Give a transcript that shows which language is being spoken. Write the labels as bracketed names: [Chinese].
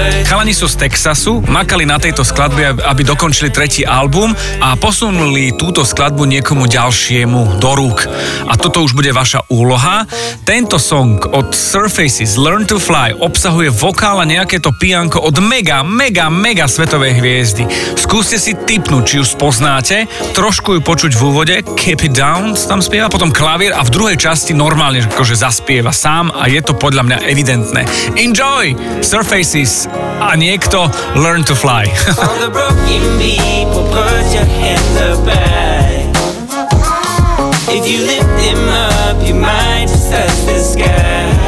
[Slovak] Chalani sú z Texasu, makali na tejto skladbe, aby dokončili tretí album a posunuli túto skladbu niekomu ďalšiemu do rúk. A toto už bude vaša úloha. Tento song od Surfaces Learn to Fly obsahuje vokál a nejaké to pianko od mega svetovej hviezdy. Skúste si tipnúť, či ju spoznáte, trošku ju počuť v úvode, Keep It Down tam spieva, potom klavír a v druhej časti normálne, akože zaspieva sám a je to podľa mňa evidentné. Enjoy! Surfaces a niekto Learn to Fly. [English] All the broken people, put your hands up back. If you lift them up, you might just touch the sky.